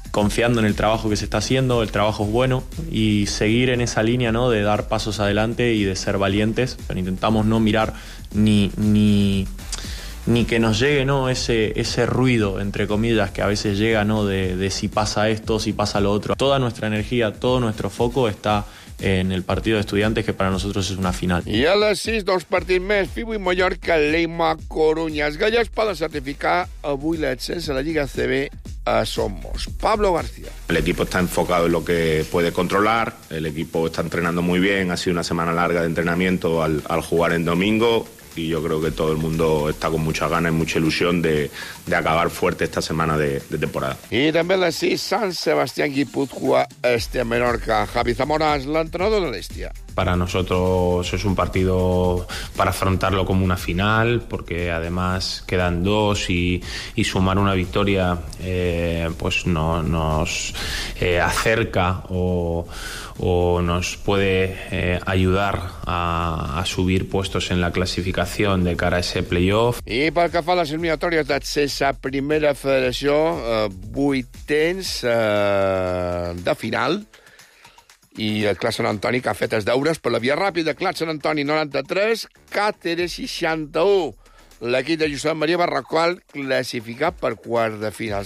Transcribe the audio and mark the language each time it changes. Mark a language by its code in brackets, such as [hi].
[es] Confiando en el trabajo que se está haciendo, el trabajo es bueno, y seguir en esa línea, ¿no?, de dar pasos adelante y de ser valientes. Pero intentamos no mirar ni que nos llegue, ¿no?, ese ruido, entre comillas, que a veces llega, ¿no?, de si pasa esto, si pasa lo otro. Toda nuestra energía, todo nuestro foco está en el partido de Estudiantes, que para nosotros es una final. [ca] I a les 6, dos partits més, Fibu i Mallorca, Leima, Coruña. Els gallecs poden certificar avui l'accés a la Lliga CB a Somos. Pablo García. [es] El equipo está enfocado en lo que puede controlar, el equipo está entrenando muy bien, ha sido una semana larga de entrenamiento al jugar en domingo, y yo creo que todo el mundo está con muchas ganas y mucha ilusión de acabar fuerte esta semana de temporada. [ca] I també l'Estia, Sant Sebastián Guipúzcoa, Estia Menorca. Javi Zamora és l'entrenador de l'Estia. [es] Para nosotros es un partido para afrontarlo como una final, porque además quedan dos y sumar una victoria pues no nos acerca o nos puede ayudar a subir puestos en la clasificación de cara a ese playoff. [ca] I pel que fa a les eliminatòries d'accés a Primera Federació, vuitens de final. I el Clar Sant Antoni, que ha fet els deures per la via ràpida. Clar Sant Antoni, 93, Càteres, 61. L'equip de Josep Maria Barracol, classificat per quart de final.